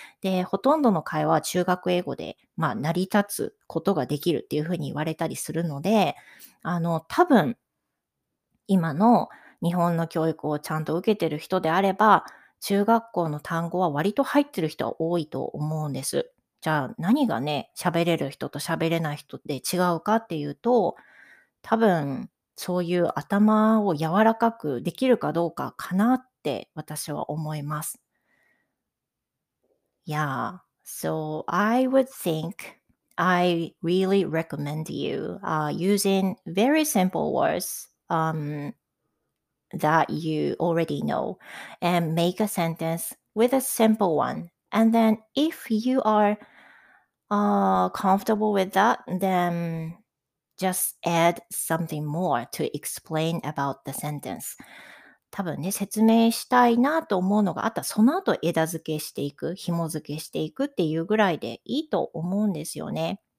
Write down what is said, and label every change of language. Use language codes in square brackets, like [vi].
[ja] で、ほとんどの会話は中学英語で、まあ、成り立つことができるっていうふうに言われたりするので、多分、今の日本の教育をちゃんと受けてる人であれば、中学校の単語は割と入ってる人は多いと思うんです。じゃあ、何がね、喋れる人と喋れない人で違うかっていうと、多分、そういう頭を柔らかくできるかどうかかなって、私は思います。 [en] Yeah, so I would think I really recommend you using very simple words that you already know and make a sentence with a simple one. And then if you are comfortable with that, then just add something more to explain about the sentence. [ja] 多分ね、説明したいなと思うのがあったら、その後枝付けしていく、紐付けしていくっていうぐらいでいいと思うんですよね。